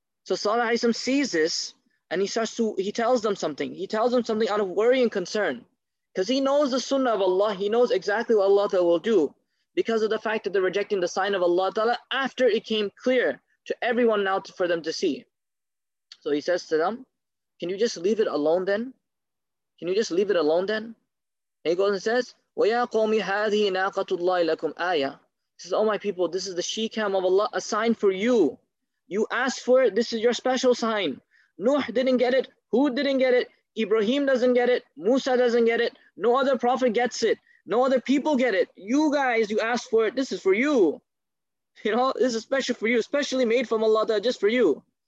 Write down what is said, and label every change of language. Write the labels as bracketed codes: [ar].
[en] So Sallallahu Alaihi Wasallam sees this and he tells them something out of worry and concern, because he knows the sunnah of Allah. He knows exactly what Allah will do, because of the fact that they're rejecting the sign of Allah Ta'ala after it came clear to everyone now for them to see. So he says to them, can you just leave it alone then? Can you just leave it alone then? And he goes and says, [ar] وَيَا قَوْمِ هَذِهِ نَاقَةُ اللَّهِ لَكُمْ آيَةً. [en] He says, oh my people, this is the she-cam of Allah, a sign for you. You asked for it, this is your special sign. Nuh didn't get it, Hud didn't get it, Ibrahim doesn't get it, Musa doesn't get it, no other prophet gets it, no other people get it. You guys, you asked for it, this is for you. You know, this is special for you, specially made from Allah, just for you.